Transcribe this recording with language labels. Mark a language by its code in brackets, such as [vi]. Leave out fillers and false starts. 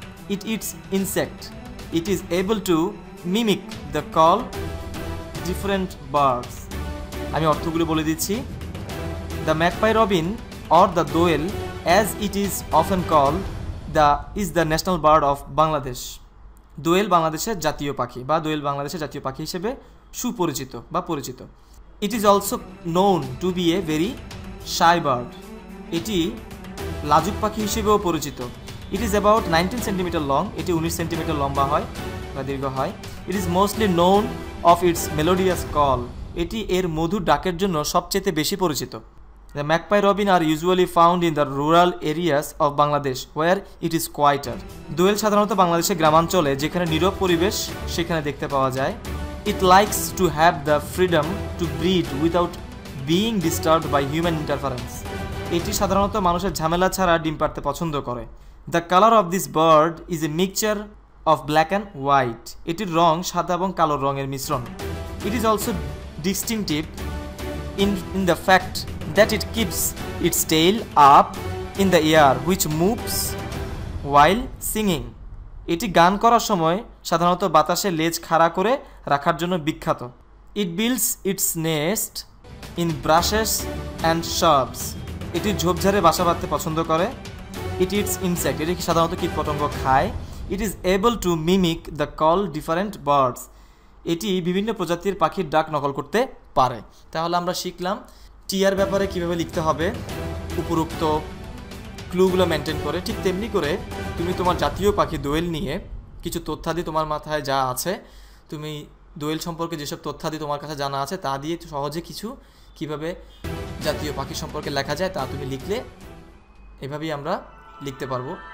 [en] It eats insects. It is able to mimic the call of different birds. [bn] আমি অর্থগুলো বলে দিচ্ছি. [en] The magpie robin or the dwell, as it is often called, is the national bird of Bangladesh. [bn] Dwell বাংলাদেশের জাতীয় পাখি বা দোয়েল বাংলাদেশের জাতীয় পাখি হিসেবে সুপরিচিত বা পরিচিত. [en] It is also known to be a very shy bird. [bn] এটি লাজুক পাখি হিসেবেও পরিচিত. [en] It is about 19 cm long. [bn] এটি 19 cm লম্বা হয় বা দীর্ঘ হয়. [en] It is mostly known of its melodious call. [bn] এটি এর মধুর ডাকের জন্য সবচেয়ে বেশি পরিচিত. [en] The magpie robin are usually found in the rural areas of Bangladesh where it is quieter. [bn] দোয়েল সাধারণত বাংলাদেশের গ্রামাঞ্চলে যেখানে নীরব পরিবেশ সেখানে দেখতে পাওয়া যায়. [en] It likes to have the freedom to breed without being disturbed by human interference. [bn] এটি সাধারণত মানুষের ঝামেলা ছাড়া ডিম পাড়তে পছন্দ করে. [en] The color of this bird is a mixture of black and white. [bn] এটির রং সাদা এবং কালো রঙের মিশ্রণ. [en] It is also distinctive in the fact that it keeps its tail up in the air, which moves while singing. [bn] এটি গান করার সময় সাধারণত বাতাসে লেজ খাড়া করে রাখার জন্য বিখ্যাত. [en] It builds its nest in brushes and shrubs. [bn] এটি ঝোপঝাড়ে বাসা বাঁধতে পছন্দ করে. [en] It eats insects. [bn] এটি সাধারণত কীটপতঙ্গ খায়. [en] It is able to mimic the call of different birds. [bn] এটি বিভিন্ন প্রজাতির পাখির ডাক নকল করতে পারে. তাহলে আমরা শিখলাম টিয়ার ব্যাপারে কিভাবে লিখতে হবে, উপরুক্ত ক্লুগুলো মেনটেন করে. ঠিক তেমনি করে তুমি তোমার জাতীয় পাখি দোয়েল নিয়ে কিছু তথ্যাদি তোমার মাথায় যা আছে, তুমি দোয়েল সম্পর্কে যেসব তথ্যাদি তোমার কাছে জানা আছে তা দিয়ে সহজে কিছু কিভাবে জাতীয় পাখি সম্পর্কে লেখা যায় তা তুমি লিখলে এভাবেই আমরা লিখতে পারবো.